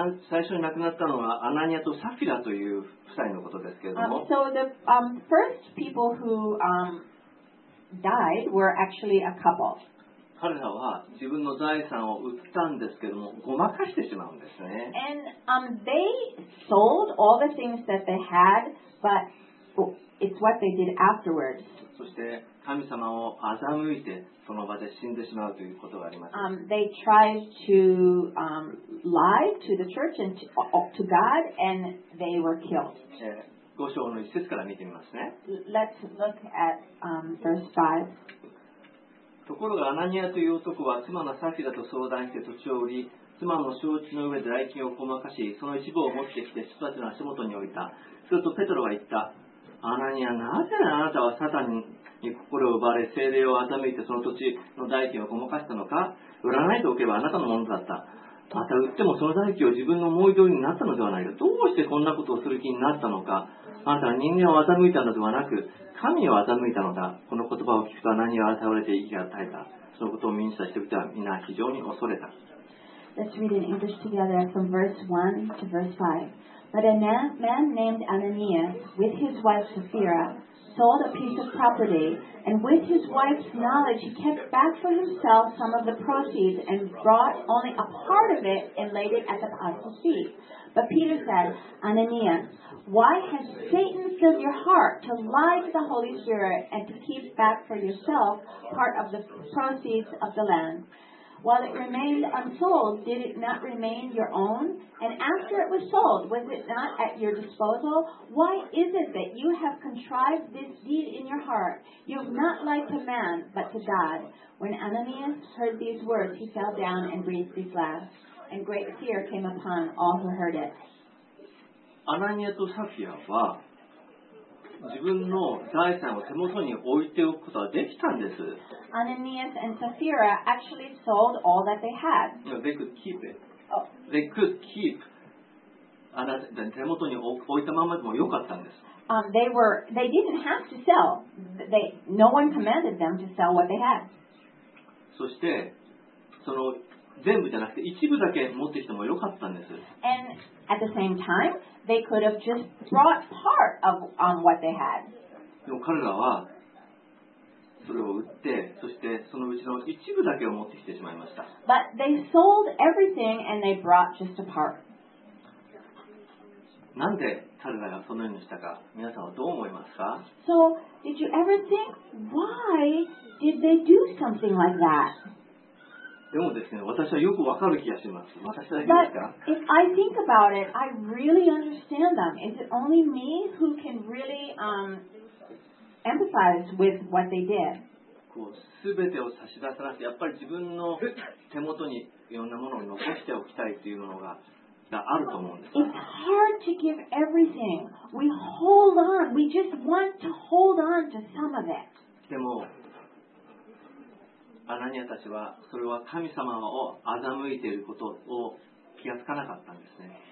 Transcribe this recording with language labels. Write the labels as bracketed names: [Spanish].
[Japanese] 最初に亡くなったのはアナニアとサフィラという夫妻のことですけれども。 [English] So the, first people who, died were actually a couple. [Japanese] 彼らは自分の財産を売ったんですけども、ごまかしてしまうんですね。 [English] And, they sold all the things that they had, but it's what they did afterwards. [Japanese] そして神様を欺いてその場で死んでしまうということがあります。 [English] They tried to, lie to the church and to God and they were killed. [Japanese] 五章の一節から見てみますね。 [English] Let's look at, verse 5. [Japanese] ところがアナニアという男は妻のサフィラと相談して土地を売り妻の承知の上で代金をごまかしその一部を持ってきて人たちの足元に置いた。するとペトロは言った。アナニア、なぜならあなたはサタンに心を奪われ、聖霊を欺いてその土地の代金をごまかしたのか、売らないでおけばあなたのものだった。また売ってもその代金を自分の思い通りになったのではないか。どうしてこんなことをする気になったのか。あなたは人間を欺いたのではなく、神を欺いたのだ。この言葉を聞くとアナニアは倒れて息が絶えた。そのことを民主した人々はみんな非常に恐れた。 [English] Let's read in English together from verse 1 to verse 5. But a man named Ananias, with his wife Sapphira, sold a piece of property, and with his wife's knowledge he kept back for himself some of the proceeds and brought only a part of it and laid it at the apostles' feet. But Peter said, Ananias, why has Satan filled your heart to lie to the Holy Spirit and to keep back for yourself part of the proceeds of the land? While it remained unsold, did it not remain your own? And after it was sold, was it not at your disposal? Why is it that you have contrived this deed in your heart? You have not lied to man, but to God. When Ananias heard these words, he fell down and breathed his last. And great fear came upon all who heard it. [Japanese] アナニアとサフィアは自分の財産を手元に置いておくことができたんです。 [English] Ananias and Sapphira actually sold all that they had. They could keep it. They could keep. [Japanese] 手元に置いたままでもよかったんです。 [English] They didn't have to sell. No one commanded them to sell what they had. [Japanese] そして、その全部じゃなくて一部だけ持ってきてもよかったんです。 [English] And at the same time, they could have just brought part of on what they had. [Japanese] でも彼らはそれを売って、そしてそのうちの一部だけを持ってきてしまいました。 [English] But they sold everything and they brought just a part. [Japanese] なんで彼らがそのようにしたか、皆さんはどう思いますか [English] ？So did you ever think why did they do something like that? [Japanese] でもですね、私はよくわかる気がします。私だけですか [English] But if I think about it, I really understand them. Is it only me who can really, empathize with what they did? [Japanese] こう、すべてを差し出さなくて、やっぱり自分の手元にいろんなものを残しておきたいというのが、あると思うんです。 [English] It's hard to give everything. We hold on. We just want to hold on to some of it. [Japanese] でも、アナニアたちはそれは神様を欺いていることを気がつかなかったんですね。